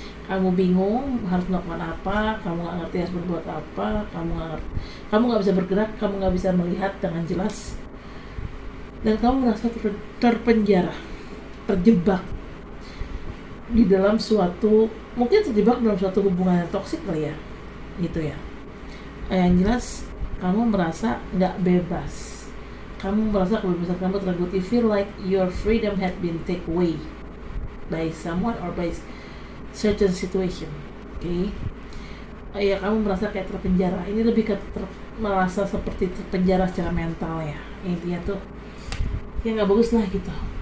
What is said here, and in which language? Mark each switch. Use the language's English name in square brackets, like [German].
[Indonesian] Kamu bingung harus melakukan apa, kamu nggak ngerti harus berbuat apa, kamu nggak bisa bergerak, kamu nggak bisa melihat dengan jelas, dan kamu merasa terpenjara, terjebak di dalam suatu, mungkin terjebak dalam suatu hubungan yang toksik kali ya, gitu ya. Yang jelas kamu merasa nggak bebas. Kamu merasa kebebasan kamu terenggut. [English] You feel like your freedom had been taken away by someone or by certain situation. [Indonesian] Okay? Ya, kamu merasa kayak terpenjara. Ini lebih ke merasa seperti terpenjara secara mental ya. Intinya tuh, ya nggak bagus lah gitu.